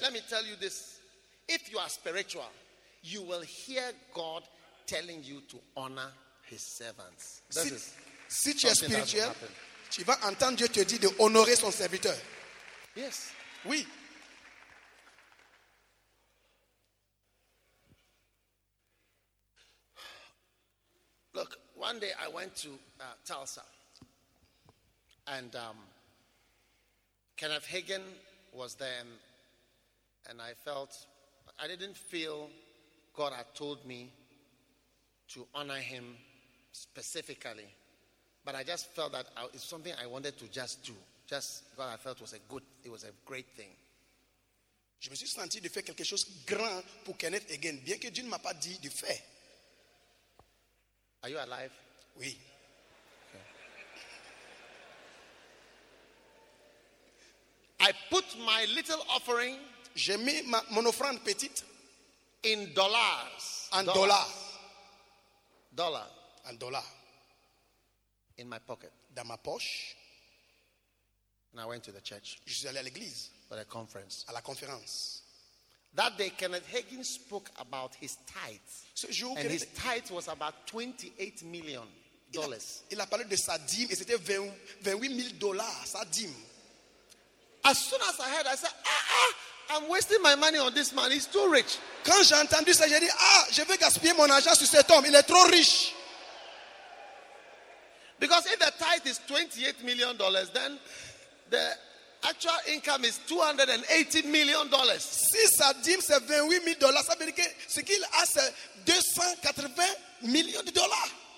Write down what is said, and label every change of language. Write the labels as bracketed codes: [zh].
[en] let me tell you this: if you are spiritual, you will hear God telling you to honor His servants. [fr] Si tu es spirituel, tu vas entendre Dieu te dire de honorer son serviteur. [en] Yes. [fr] Oui. [en] Look, one day I went to Tulsa, and Kenneth Hagin was there, and I didn't feel God had told me to honor him specifically, but I just felt that it's something I wanted to just do. Just God, I felt it was a great thing. [fr] Je me suis senti de faire quelque chose grand pour Kenneth Hagin, bien que Dieu ne m'a pas dit de faire. [en] Are you alive? [fr] Oui. Okay. [en] I put my little offering. [fr] J'ai mis mon offrande petite. [en] In dollars. [fr] En dollars. [en] Dollar. [fr] En dollar. [en] In my pocket. [fr] Dans ma poche. [en] And I went to the church. [fr] Je suis allé à l'église. [en] For a conference. [fr] À la conférence. [en] That day, Kenneth Hagin spoke about his tithe. [fr] Ce jour, [en] and his tithe was about $28 million. [fr] Il a parlé de sa dîme et c'était 28 000 dollars, sa dîme. [en] As soon as I heard, I said, I'm wasting my money on this man, he's too rich. [fr] Quand j'ai entendu ça, j'ai dit, je vais gaspiller mon argent sur cet homme, il est trop riche. [en] Because if the tithe is $28 million, then the actual income is $280 million. [fr] Si sa dîme c'est 28 000 dollars, ça veut dire que ce qu'il a c'est 280 millions de dollars.